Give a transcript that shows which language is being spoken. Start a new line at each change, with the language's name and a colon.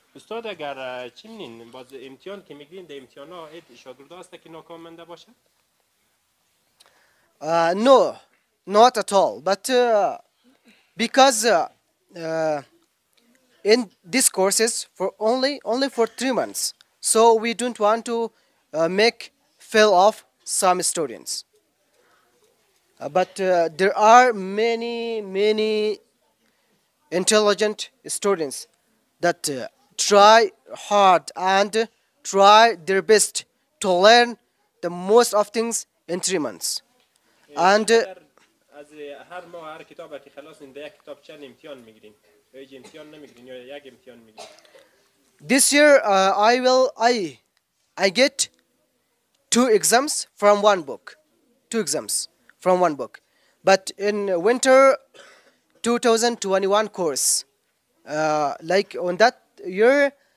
Persian: استاد اگر چی می‌نین باز امتحان که می‌گیرین در امتحان‌ها هیچ شاگرد هست که ناکام مانده باشه؟
English: No, not at all. But because in these courses for only for 3 months. So we don't want to make fail off some students. But there are many, many intelligent students that try hard and try their best to learn the most of things in 3 months. And
Persian: از هر ماه هر کتاب که خلاص این یک کتاب چند امتحان میگیرین؟ یک امتحان نمیگیرین یا یک امتحان میگیرین؟
English: This year I get two exams from one book, but in winter 2021 course, on that year